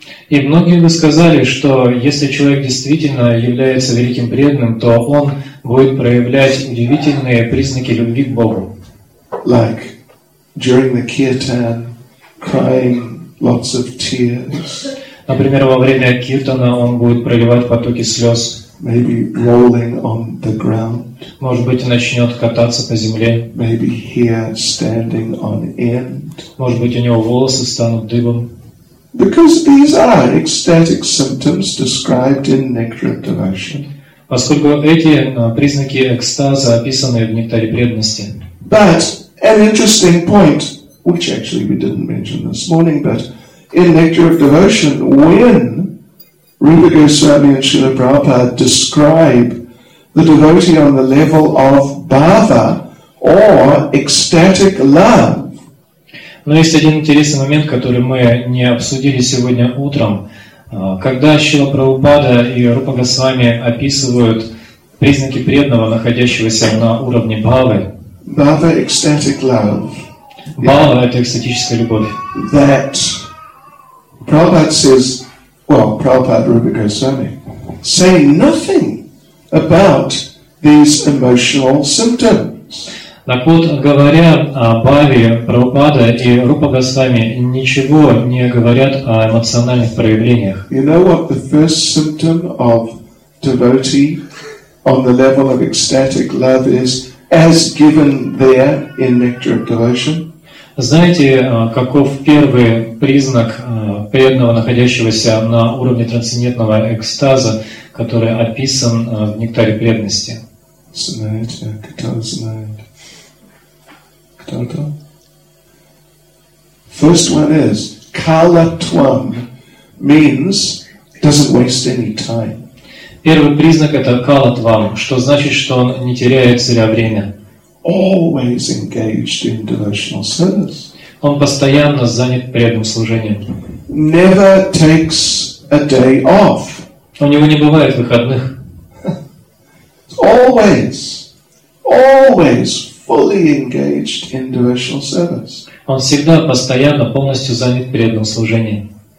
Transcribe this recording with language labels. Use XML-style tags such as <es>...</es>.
<ru>И многие бы сказали, что если человек действительно является великим преданным, то он будет проявлять удивительные признаки любви к Богу.</ru> <en>Like during the kirtan, crying lots of tears.</en> <ru>Например, во время киртана он будет проливать потоки слез.</ru> <en>maybe rolling on the ground.</en> <ru>Может быть, начнет кататься по земле.</ru> <en>Maybe hair standing on end.</en> <ru>Может быть, у него волосы станут дыбом.</ru> <en>Because these are ecstatic symptoms described in Nectar of Devotion.</en> <ru>Поскольку эти признаки экстаза описаны в Нектаре преданности.</ru> <en>But an interesting point, which actually we didn't mention this morning, but in Nectar of Devotion, when Rupa Goswami and Srila Prabhupada describe the devotee on the level of bhava or ecstatic love.</en> <ru>Но есть один интересный момент, который мы не обсудили сегодня утром. Когда Шрила Прабхупада и Рупа Госвами описывают признаки преданного, находящегося на уровне бхавы.</ru> <en>Bhava, ecstatic love.</en> <ru>Бхава — это экстатическая любовь.</ru> <en>That Prabhupada says, well, Prabhupada, Rupa Goswami, say nothing about these emotional symptoms.</en> <ru>Так вот, говоря о Бхаве, Прабхупада и Рупа Госвами ничего не говорят о эмоциональных проявлениях.</ru> <en>You know what the first symptom of devotee on the level of ecstatic love is, as given there in Nectar of Devotion?</en> <ru>Знаете, каков первый признак преданного, находящегося на уровне трансцендентного экстаза, который описан в Нектаре преданности? Знаете, кто знает? Кто-то?</ru> <en>First one is, kalatvam means doesn't waste any time.</en> <ru>Первый признак – это kalatvam, что значит, что он не теряет зря время.</ru> <en>Always engaged in devotional service.</en> <ru>Он постоянно занят преданным служением.</ru> <en>Never takes a day off.</en> <ru>У него не бывает выходных.</ru> <en>Always, always fully engaged in devotional service.</en> <ru>Он всегда постоянно полностью занят преданным служением.</ru>